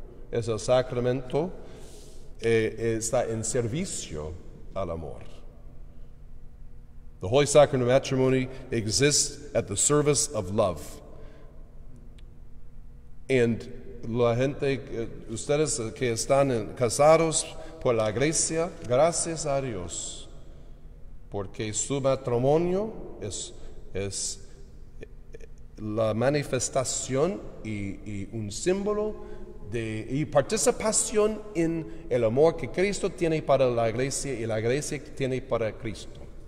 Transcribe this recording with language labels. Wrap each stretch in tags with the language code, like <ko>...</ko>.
<es>Es el sacramento está en servicio al amor.</es> <en>The Holy Sacrament of Matrimony exists at the service of love.</en> <es>And la gente, ustedes que están casados por la iglesia, gracias a Dios, porque su matrimonio es la manifestación y un símbolo y participación en el amor que Cristo tiene para la iglesia y la iglesia que tiene para Cristo.</es>